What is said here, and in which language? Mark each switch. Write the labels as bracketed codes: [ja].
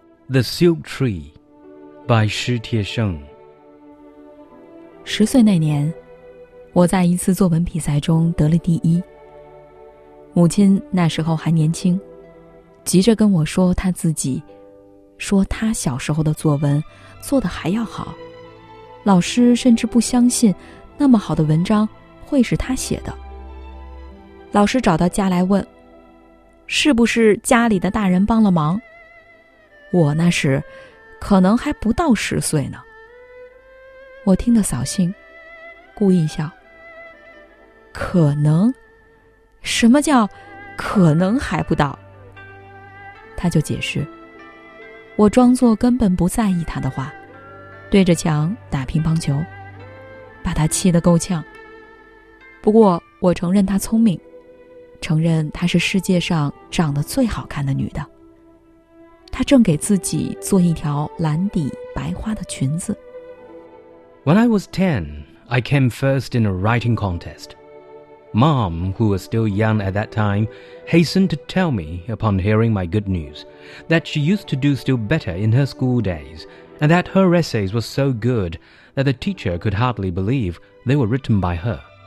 [en] The Silk Tree by 史铁生。 [zh] 10岁那年，我在一次作文比赛中得了第一。母亲那时候还年轻，急着跟我说她自己，说她小时候的作文做得还要好，老师甚至不相信那么好的文章会是她写的。老师找到家来问，是不是家里的大人帮了忙？我那时可能还不到10岁呢。我听得扫兴，故意笑。可能？什么叫可能还不到？他就解释。我装作根本不在意他的话，对着墙打乒乓球，把他气得够呛。不过我承认他聪明，承认她是世界上长得最好看的女的。她正给自己做一条蓝底白花的裙子。 [en] When I was 10, I came first in a writing contest. Mom, who was still young at that time, hastened to tell me upon hearing my good news that she used to do still better in her school days, and that her essays were so good that the teacher could hardly believe they were written by her.